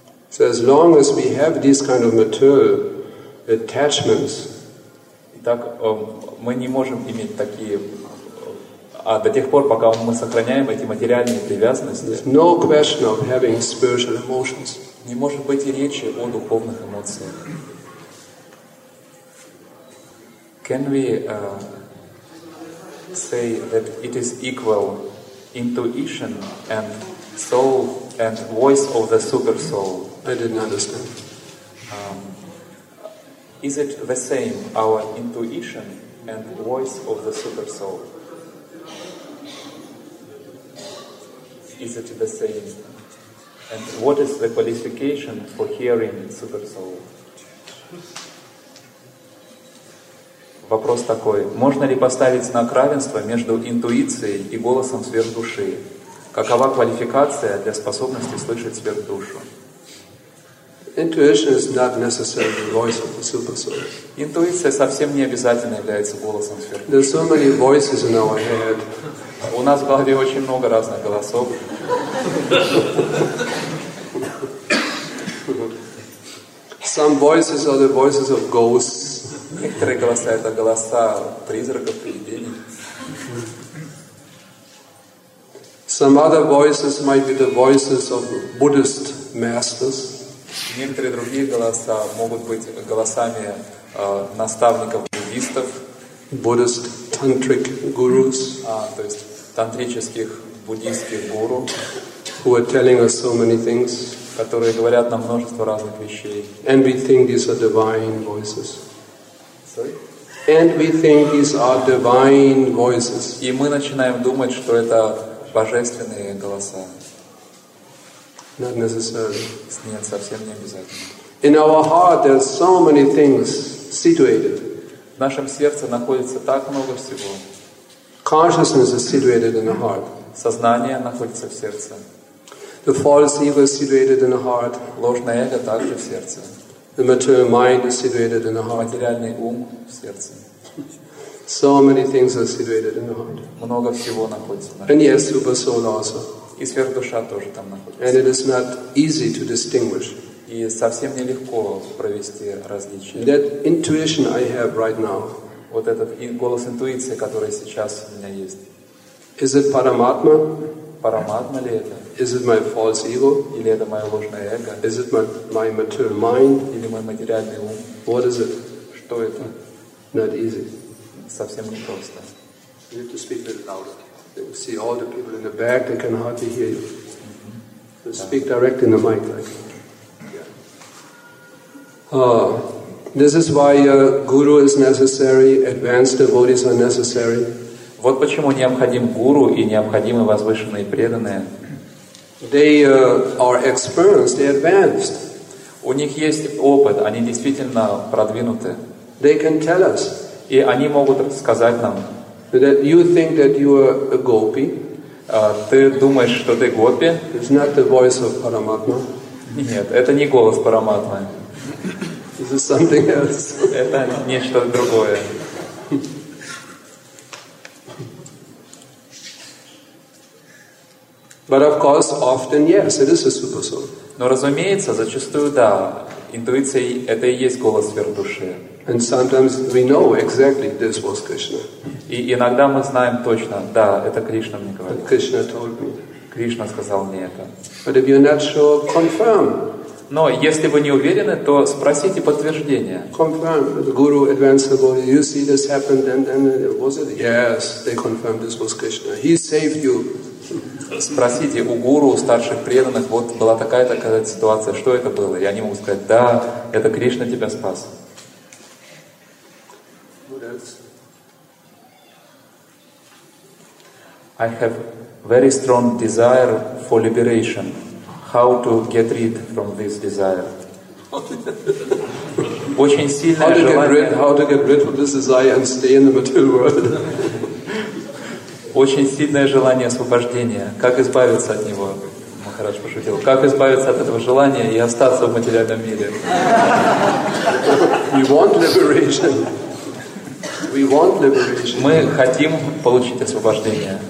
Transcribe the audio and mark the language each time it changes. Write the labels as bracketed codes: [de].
[en] So as long as we have these kind of material attachments, [ru] так мы не можем иметь такие, а до тех пор, пока мы сохраняем эти материальные привязанности, [en] no question of having spiritual emotions. [ru] Не может быть и речи о духовных эмоциях. [en] Can we say that it is equal intuition and soul and voice of the super soul? I didn't understand. Is it the same, our intuition and voice of the super soul? Is it the same? And what is the qualification for hearing super soul? [ru] Вопрос такой. Можно ли поставить знак равенства между интуицией и голосом сверхдуши? Какова квалификация для способности слышать сверхдушу? [en] Intuition is not necessarily the voice of the super soul. [ru] Интуиция совсем не обязательно является голосом сверху. [en] There are so many voices in our head. [ru] У нас в голове очень много разных голосов. [en] Some voices are the voices of ghosts. [ru] Некоторые голоса — это голоса призраков, привидений. [en] Some other voices might be the voices of Buddhist masters. [ru] Некоторые другие голоса могут быть голосами наставников буддистов, [en] Buddhist tantric gurus, [ru] то есть тантрических буддийских гуру, [en] who are telling us so many things, [ru] которые говорят нам множество разных вещей. [en] And we think these are divine voices. Sorry? And we think these are divine voices. [ru] И мы начинаем думать, что это божественные голоса. [en] Not necessarily. [ru] Нет, совсем не обязательно. [en] In our heart there are so many things situated. [ru] В нашем сердце находится так много всего. [en] Consciousness is situated in the heart. [ru] Сознание находится в сердце. [en] The false ego is situated in the heart. [ru] Ложное эго также в сердце. [en] The material mind is situated in the heart. [ru] Материальный ум в сердце. [en] So many things are situated in the heart. [ru] Много всего находится в сердце. [en] And yes, super soul also. [ru] И сверхдуша тоже там находится. [en] And it is not easy to distinguish. [ru] И совсем нелегко провести различие. [en] That intuition I have right now. [ru] Вот этот голос интуиции, который сейчас у меня есть. [en] Is it Paramatma? [ru] Paramatma ли это? [en] Is it my false ego? [ru] Или это мое ложное эго? [en] Is it my material mind? [ru] Или мой материальный ум? [en] What is it? [ru] Что это? [en] Not easy. [ru] Совсем не просто. [en] You need to speak a little louder. You see all the people in the back, they can hardly hear you. Mm-hmm. So speak direct in the mic. Like. Yeah. This is why a guru is necessary, advanced devotees are necessary. [ru] Вот почему необходим гуру и необходимы возвышенные преданные. [en] They are experienced, they are advanced. [ru] У них есть опыт, они действительно продвинуты. [en] They can tell us. [ru] И они могут сказать нам. [en] That you think that you are a gopi, [ru] Ты думаешь, что ты гопи? [en] It's not the voice of Paramatma. [ru] Нет, это не голос Параматмы. [en] This is something else. [ru] Это нечто другое. [en] But of course, often yes, it is a super soul. [ru] Но разумеется, зачастую да. Интуиция — это и есть голос сверхдуши. [en] And sometimes we know exactly this was Krishna. [ru] И иногда мы знаем точно, да, это Кришна мне говорит. [en] But Krishna told me. [ru] Кришна сказал мне это. [en] But if you're not sure, confirm. [ru] Но если вы не уверены, то спросите подтверждение. [en] Confirm. The guru advanced the body. You see this happened, and was it? Yes, they confirmed this was Krishna. He saved you. [ru] Спросите у гуру, у старших преданных, вот была такая-то ситуация, что это было? И они могут сказать, да, это Кришна тебя спас. [en] I have very strong desire for liberation. How to get rid from this desire? [ru] Очень сильное желание. [en] How to get rid of this desire and stay in the material world? [ru] Очень сильное желание освобождения. Как избавиться от него? Махарадж пошутил. Как избавиться от этого желания и остаться в материальном мире? [en] We want liberation. We want liberation. [ru] Мы хотим получить освобождение.